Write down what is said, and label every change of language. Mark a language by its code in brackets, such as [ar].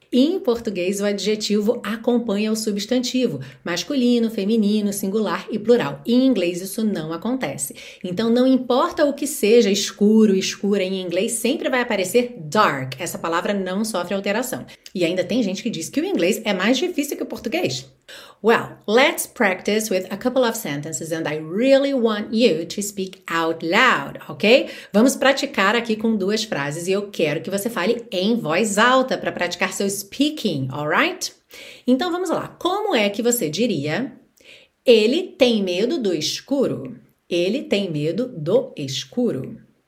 [pt] Em português, o adjetivo acompanha o substantivo, masculino, feminino, singular e plural. Em inglês, isso não acontece. Então, não importa o que seja escuro, escura, em inglês, sempre vai aparecer dark. Essa palavra não sofre alteração. E ainda tem gente que diz que o inglês é mais difícil que o português. [en] Well, let's practice with a couple of sentences and I really want you to speak out loud, ok? [pt] Vamos praticar aqui com duas frases e eu quero que você fale em voz alta para praticar seu speaking, alright? Então vamos lá. Como é que você diria? Ele tem medo do escuro. Ele tem medo do escuro.